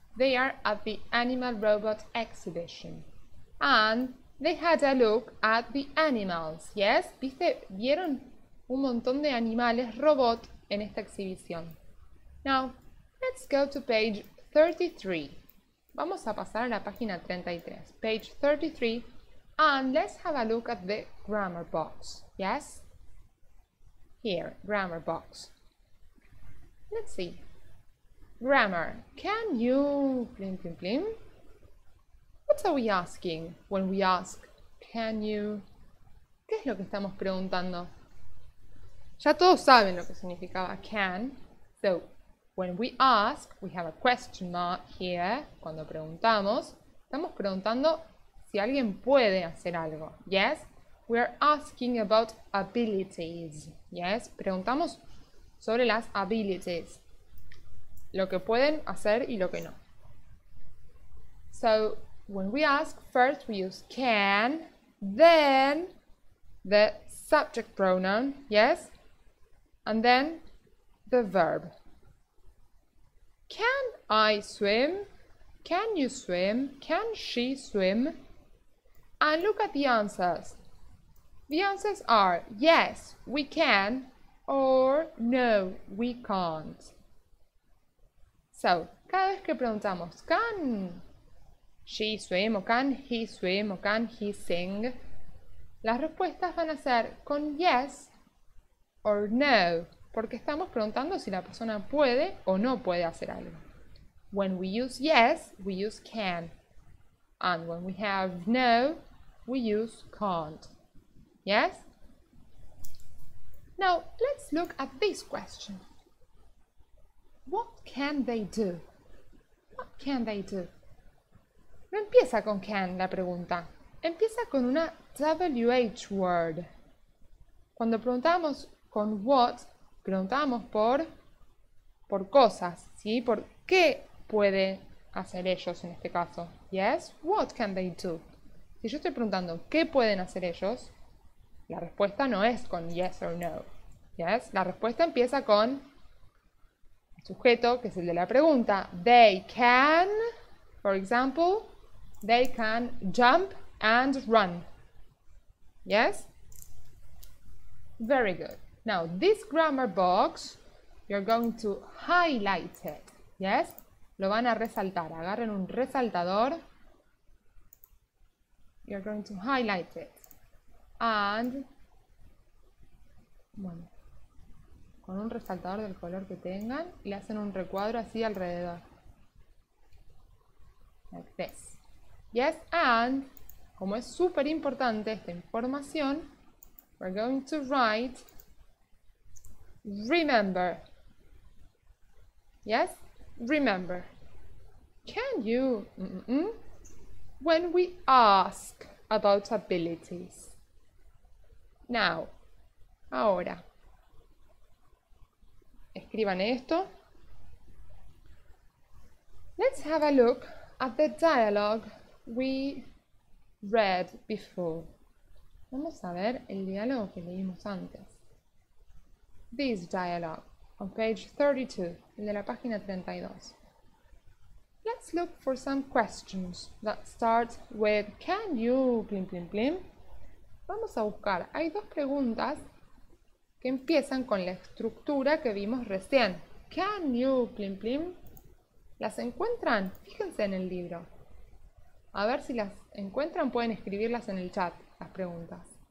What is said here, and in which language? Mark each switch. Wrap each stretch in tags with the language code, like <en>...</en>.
<en>They are at the Animal Robot Exhibition. And they had a look at the animals.</en> <es>Yes? ¿Viste? Vieron un montón de animales robot en esta exhibición.</es> <en>Now, let's go to page 33.</en> <es>Vamos a pasar a la página 33.</es> <en>Page 33. And let's have a look at the grammar box. Yes? Here, grammar box. Let's see. Grammar. Can you... Blim, blim, blim. What are we asking when we ask, Can you?</en> <es>¿Qué es lo que estamos preguntando? Ya todos saben lo que significaba can.</es> <en>So, when we ask, we have a question mark here.</en> <es>Cuando preguntamos, estamos preguntando si alguien puede hacer algo.</es> <en>Yes? We are asking about abilities.</en> <es>Yes? Preguntamos sobre las abilities. Lo que pueden hacer y lo que no.</es> <en>So, when we ask, first we use can, then the subject pronoun, yes? And then the verb. Can I swim? Can you swim? Can she swim? And look at the answers. The answers are yes, we can, or no, we can't.</en> <es>So, cada vez que preguntamos,</es> <en>can she swim,</en> <es>o</es> <en>can he swim,</en> <es>o</es> <en>can he sing,</en> <es>las respuestas van a ser con</es> <en>yes or no,</en> <es>porque estamos preguntando si la persona puede o no puede hacer algo.</es> <en>When we use yes, we use can. And when we have no, we use can't. Yes? Now, let's look at this question. What can they do? What can they do?</en> <es>No empieza con can la pregunta. Empieza con una WH word. Cuando preguntamos con what, preguntamos por cosas, ¿sí? ¿Por qué pueden hacer ellos en este caso?</es> <en>Yes, what can they do?</en> <es>Si yo estoy preguntando qué pueden hacer ellos, la respuesta no es con</es> <en>yes or no.</en> <es>Yes, la respuesta empieza con el sujeto, que es el de la pregunta.</es> <en>They can, for example, they can jump and run. Yes? Very good. Now, this grammar box, you're going to highlight it. Yes?</en> <es>Lo van a resaltar. Agarren un resaltador.</es> <en>You're going to highlight it.</en> <es>And, bueno, con un resaltador del color que tengan, le hacen un recuadro así alrededor.</es> <en>Like this. Yes, and,</en> <es>como es súper importante esta información,</es> <en>we're going to write, remember. Yes, remember. Can you? When we ask about abilities.</en> <es>Now, ahora, escriban esto.</es> <en>Let's have a look at the dialogue we read before.</en> <es>Vamos a ver el diálogo que leímos antes.</es> <en>This dialogue on page 32,</en> <es>el de la página 32.</es> <en>Let's look for some questions that start with can you blim blim blim.</en> <es>Vamos a buscar. Hay dos preguntas que empiezan con la estructura que vimos recién.</es> <en>Can you blim blim?</en> <es>¿Las encuentran? Fíjense en el libro. A ver si las encuentran, pueden escribirlas en el chat, las preguntas.</es>